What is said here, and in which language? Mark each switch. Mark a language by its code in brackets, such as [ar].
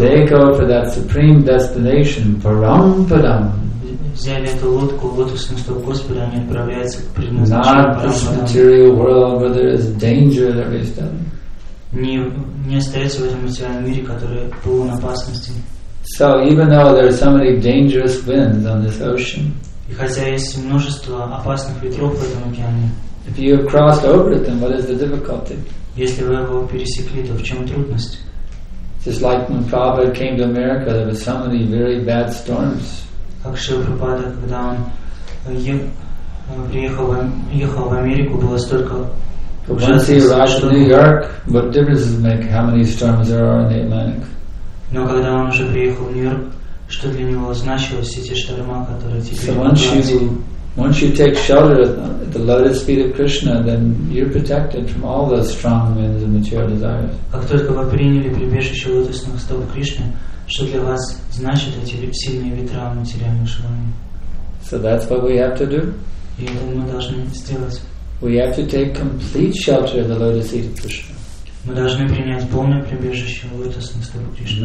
[en] they go for that supreme destination, param param. [ru] Взяли эту лодку, лотосным стоп Господа, они отправляются к предназначению. Не остается в этом материальном мире, который полон опасности. [en] So even though there are so many dangerous winds on this ocean, [ru] и хотя есть множество опасных ветров в этом океане, [en] if you have crossed over it, then what is the difficulty? [ru] Если вы его пересекли, то в чем трудность? [en] Just like when Prabhupada came to America, there were so many very bad storms. [ru] Как Шрила Прабхупада, когда он ехал в Америку, было столько. [en] Once he arrived in New York, what difference does it make how many storms there are in the Atlantic? [ru] Но когда он уже приехал в Нью-Йорк, что для него значилось эти шторма, которые теперь? [en] So once you take shelter at the lotus feet of Krishna, then you're protected from all those strong winds and material desires. [ru] Как только вы приняли прибежище лотосных стоп Кришны, что для вас значат эти сильные ветра материальных желаний? [en] So that's what we have to do. [ru] И это мы должны сделать. [en] We have to take complete shelter of the lotus feet of Krishna. [ru] Мы должны принять полное прибежище лотосных стоп Кришны.